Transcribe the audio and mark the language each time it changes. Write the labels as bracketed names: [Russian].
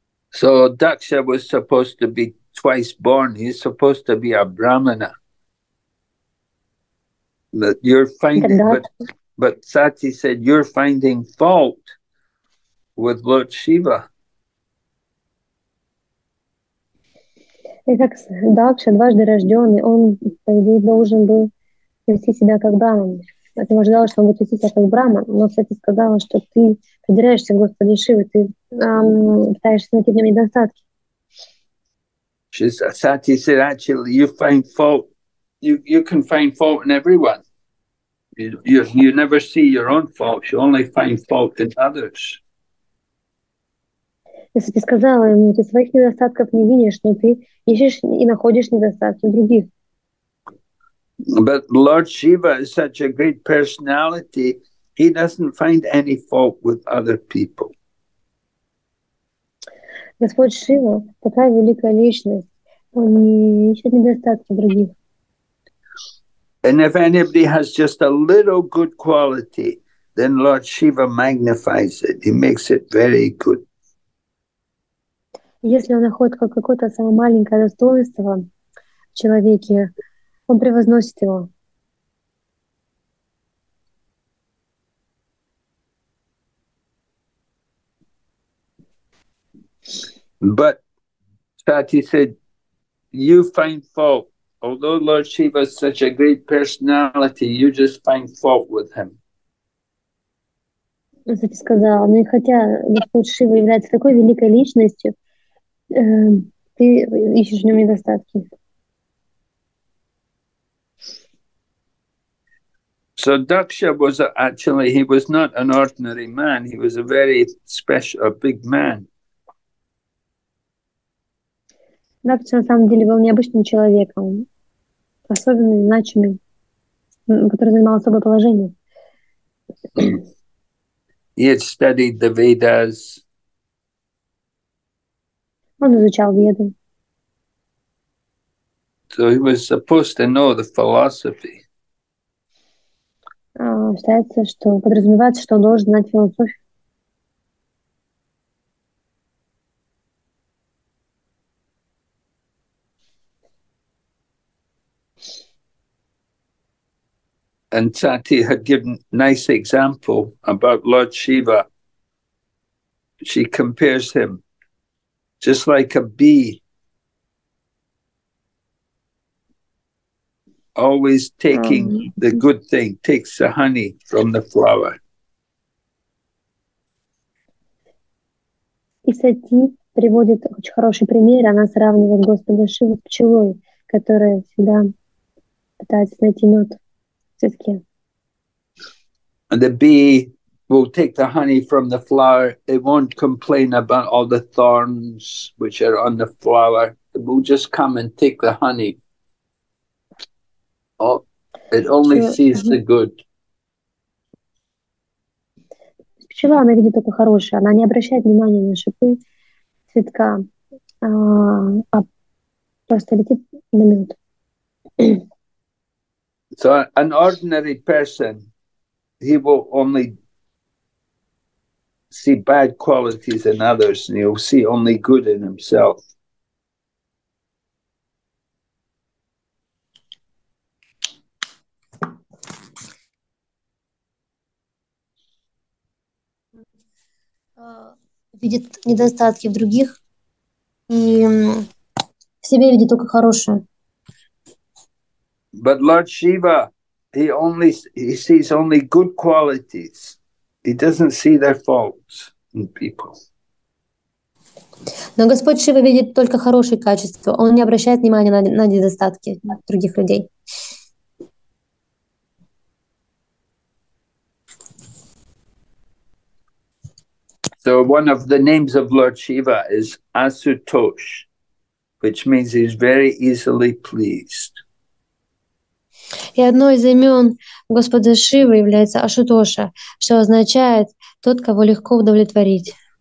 [English] So Daksha was supposed to be twice born. He's supposed to be a Brahmana. That you're finding, but Sati said you're finding fault with Lord Shiva. [Russian] И как Дакша дважды рожденный, он по идее должен был вести себя как браман. А ты ожидала, что он будет вести себя как браман, но Сати сказала, что ты придираешься к Господу Шиве, ты пытаешься найти в нем недостатки. [English] Sati said, actually, you find fault. You can find fault in everyone. You never see your own faults. You only find fault in others. [Russian] Если ты сказала ему, ты своих недостатков не видишь, но ты ищешь и находишь недостатки других. [English] But Lord Shiva is such a great personality. He doesn't find any fault with other people. [Russian] Господь Шива такая великая личность. Он не ищет недостатки других. [English] And if anybody has just a little good quality, then Lord Shiva magnifies it. He makes it very good. [Russian] Если он находит какое-то самое маленькое достоинство в человеке, он превозносит его. [English] But Sati said, you find fault. Although Lord Shiva is such a great personality, you just find fault with him. [Russian] Сати сказал, ну и хотя Господь Шива является такой великой личностью, ты ищешь в нем недостатки. [English] So Daksha was actually, he was not an ordinary man. He was a very special, a big man. [Russian] Дакша на самом деле был необычным человеком, особенным, значимым, который занимал особое положение. [English] He had studied the Vedas. [Russian] Он изучал Веды. [English] So he was supposed to know the philosophy. [Russian] Считается, что подразумевается, что он должен знать философию. [English] And Sati had given nice example about Lord Shiva. She compares him just like a bee, always taking the good thing, takes the honey from the flower. [Russian] И Сати приводит очень хороший пример. Она сравнивает Господа Шиву с пчелой, которая всегда пытается найти мед. [English] And the bee will take the honey from the flower. It won't complain about all the thorns which are on the flower. It will just come and take the honey. Oh, it only sees the good. [Russian] Пчела, она видит только хорошее. Она не обращает внимания на шипы цветка, а просто летит на мед. [English] So an ordinary person, he will only see bad qualities in others, and he'll see only good in himself. [Russian] Видит недостатки в других, и в себе видит только хорошее. [English] But Lord Shiva, he sees only good qualities. He doesn't see their faults in people. [Russian] Но Господь Шива видит только хорошие качества. Он не обращает внимания на недостатки других людей. [English] So one of the names of Lord Shiva is Asutosh, which means he's very easily pleased. [Russian] И одно из имен Господа Шивы является Ашутоша, что означает «тот, кого легко удовлетворить».